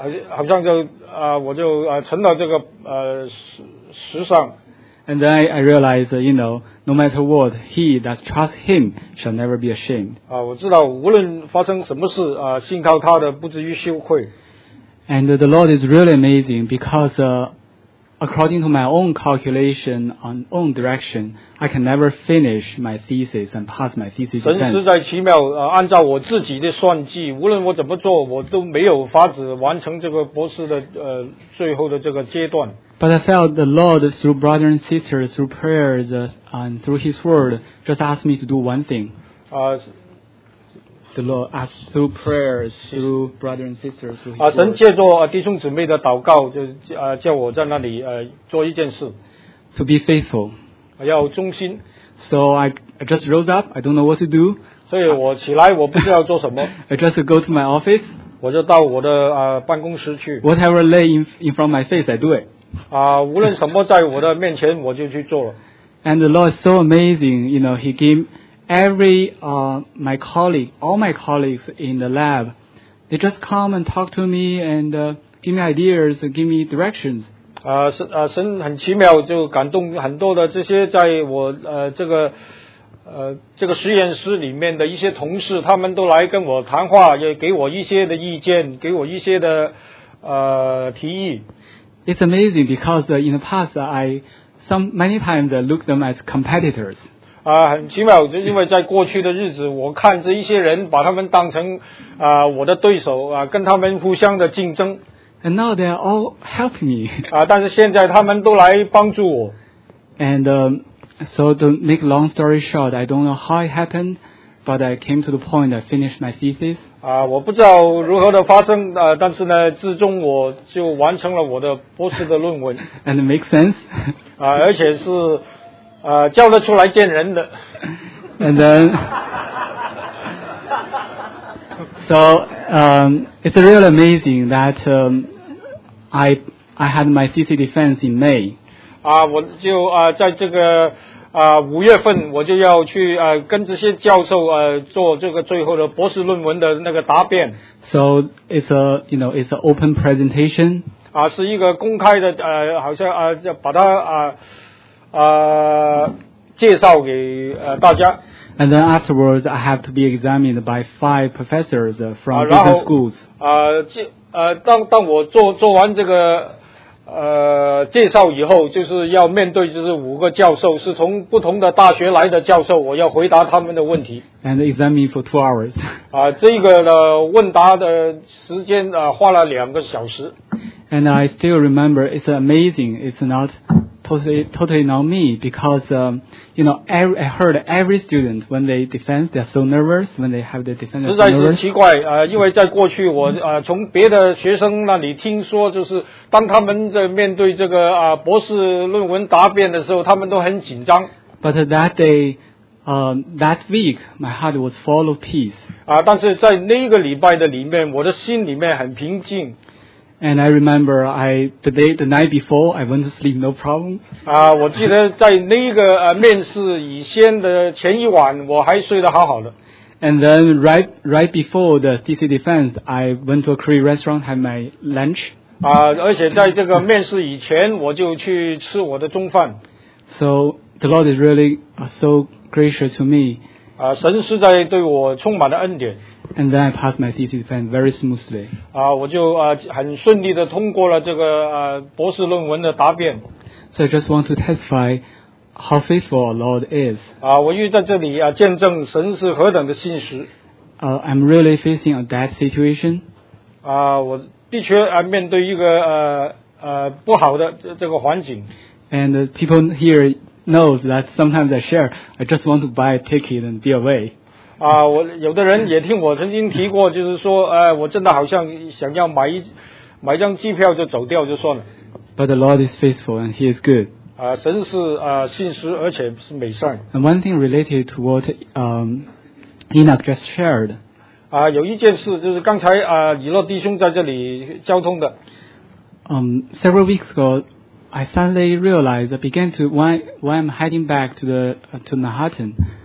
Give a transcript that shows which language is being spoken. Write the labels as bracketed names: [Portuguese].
[Chinese] 好像就我就沉到这个石上。 [English] And then I realized, you know, no matter what, he that trusts him shall never be ashamed. [Chinese] 我知道无论发生什么事信靠他的不至于羞愧。 [English] And the Lord is really amazing because according to my own calculation and own direction, I can never finish my thesis and pass my thesis exam. [Chinese] 神实在奇妙，按照我自己的算计，无论我怎么做，我都没有法子完成这个博士的最后的这个阶段。 [English] But I felt the Lord through brothers and sisters, through prayers, and through His word, just asked me to do one thing. The Lord asked through prayers, through brothers and sisters, through His word. [Chinese] 神借着弟兄姊妹的祷告，就叫我在那里做一件事。 [English] To be faithful. [Chinese] 要忠心。 [English] So I just rose up, I don't know what to do. [Chinese] 所以我起来，我不知道做什么。 [English] I just go to my office. [Chinese] 我就到我的办公室去。 [English] Whatever lay in front of my face, I do it. [Chinese] 无论什么在我的面前，我就去做了。 [English] And the Lord is so amazing, you know, He gave my colleague, all my colleagues in the lab, they just come and talk to me and give me ideas, and give me directions. [Chinese] 神很奇妙，就感动很多的这些在我这个实验室里面的一些同事，他们都来跟我谈话，也给我一些的意见，给我一些的提议。 [English] It's amazing because in the past many times I look them as competitors. [Chinese] 很奇妙，就因为在过去的日子，我看着一些人把他们当成我的对手跟他们互相的竞争。 [English] And now they are all helping me. [Chinese] 但是现在他们都来帮助我。 [English] And so to make long story short, I don't know how it happened, but I came to the point I finished my thesis. [Chinese] 我不知道如何的发生，但是呢，自从我就完成了我的博士的论文。 [English] And it makes sense. [Chinese] 而且是叫得出来见人的。 [English] And then, so it's really amazing that I had my thesis defense in May. [Chinese] 我就在这个五月份我就要去跟这些教授做这个最后的博士论文的那个答辩。 [English] So it's a, you know, it's an open presentation. [Chinese] 是一个公开的好像把它介绍给大家。 [English] And then afterwards, I have to be examined by five professors from different schools. [Chinese] 当我做完这个介绍以后，就是要面对就是五个教授，是从不同的大学来的教授，我要回答他们的问题。 [English] And examine for 2 hours. [Chinese] 这个呢，问答的时间花了2个小时。 [English] And I still remember, it's amazing. It's not. Totally not me, because you know, I heard every student when they defend, they are so nervous when they have the defense. [Chinese] 实在是奇怪，因为在过去我从别的学生那里听说，就是当他们在面对这个博士论文答辩的时候，他们都很紧张。 [English] But that day, that week, my heart was full of peace. [Chinese] 但是在那个礼拜的里面，我的心里面很平静。 [English] And I remember the night before, I went to sleep, no problem. [Chinese] 我记得在那个面试以前的前一晚，我还睡得好好的。 [English] And then right before the DC defense, I went to a Korean restaurant, had my lunch. [Chinese] 而且在这个面试以前，我就去吃我的中饭。 [English] So the Lord is really so gracious to me. [Chinese] 神实在对我充满了恩典。 [English] And then I passed my thesis defense very smoothly. [Chinese] 我就很顺利的通过了这个博士论文的答辩。 [English] So I just want to testify how faithful our Lord is. [Chinese] 我又在这里见证神是何等的信实。 [English] I'm really facing a death situation. [Chinese] 我的确面对一个不好的这个环境。 [English] And people here knows that sometimes I share, I just want to buy a ticket and be away. [Chinese] 我有的人也听我曾经提过，就是说，我真的好像想要买一张机票就走掉就算了。 [English] But the Lord is faithful and He is good. [Chinese] 神是信实而且是美善。 [English] And one thing related to what Enoch just shared. [Chinese] 有一件事就是刚才以诺弟兄在这里交通的。 [English] Several weeks ago, I suddenly realized I began to why I'm heading back to the to Manhattan.